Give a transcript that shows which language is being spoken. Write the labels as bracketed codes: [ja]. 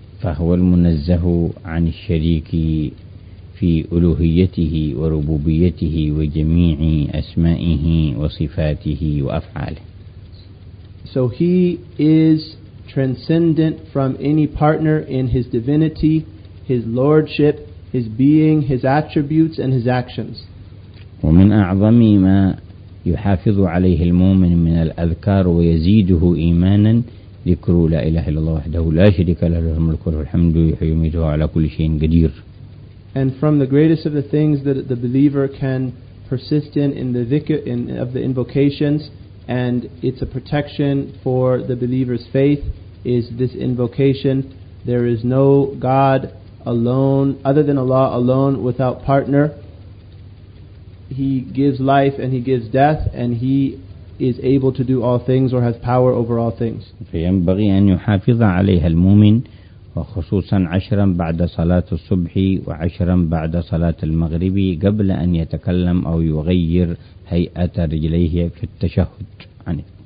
[ar] فهو المنزه عن الشريك في ألوهيته وربوبيته وجميع أسمائه وصفاته وأفعاله. [en] So he is transcendent from any partner in his divinity, his lordship, his being, his attributes, and his actions. [ar] ومن أعظم ما يحافظ عليه المؤمن من الأذكار ويزيده إيمانا ذكر لا إله إلا الله وحده لا شريك له له الملك وله الحمد يحيي ويميت على كل شيء قدير. [en] And from the greatest of the things that the believer can persist in the dhikr, in of the invocations, and it's a protection for the believer's faith, is this invocation: there is no God alone, other than Allah alone, without partner. He gives life and he gives death, and he is able to do all things or has power over all things. [ar] فينبغي أن يحافظ عليها المؤمن وخصوصا عشرا بعد صلاة الصبح وعشرا بعد صلاة المغرب قبل أن يتكلم أو يغير هيئة رجليه في التشهد عنه.